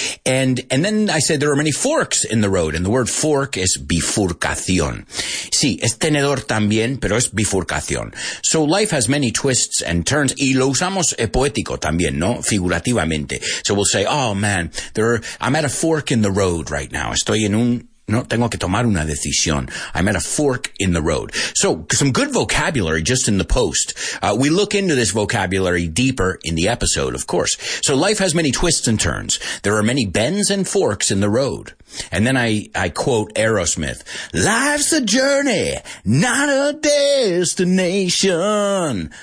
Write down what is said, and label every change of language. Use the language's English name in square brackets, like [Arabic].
[English] And then I said there are many forks in the road. And the word fork is bifurcación. [Spanish] Sí, es tenedor también, pero es bifurcación. [English] So life has many twists and turns. [Spanish] Y lo usamos poético también, ¿no? Figurativamente. [English] So we'll say, oh man, I'm at a fork in the road. Right now, [Spanish] estoy en un, no tengo que tomar una decisión. [English] I'm at a fork in the road. So, some good vocabulary just in the post. We look into this vocabulary deeper in the episode, of course. So, life has many twists and turns. There are many bends and forks in the road. And then I quote Aerosmith, life's a journey, not a destination.